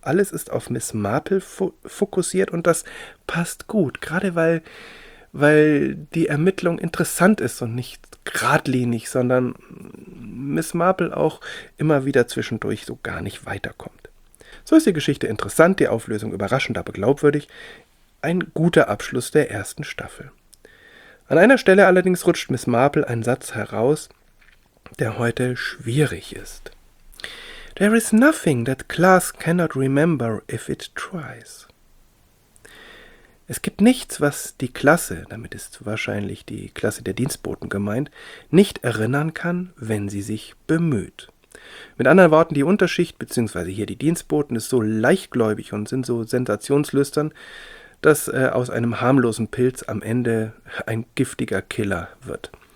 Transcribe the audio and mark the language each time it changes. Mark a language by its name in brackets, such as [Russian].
[German] Alles ist auf Miss Marple fokussiert und das passt gut, gerade weil die Ermittlung interessant ist und nicht geradlinig, sondern Miss Marple auch immer wieder zwischendurch so gar nicht weiterkommt. So ist die Geschichte interessant, die Auflösung überraschend, aber glaubwürdig. Ein guter Abschluss der ersten Staffel. An einer Stelle allerdings rutscht Miss Marple ein Satz heraus, der heute schwierig ist. [English] There is nothing that class cannot remember if it tries. [German] Es gibt nichts, was die Klasse, damit ist wahrscheinlich die Klasse der Dienstboten gemeint, nicht erinnern kann, wenn sie sich bemüht. Mit anderen Worten, die Unterschicht bzw. hier die Dienstboten ist so leichtgläubig und sind so sensationslüstern, dass aus einem harmlosen Pilz am Ende ein giftiger Killer wird.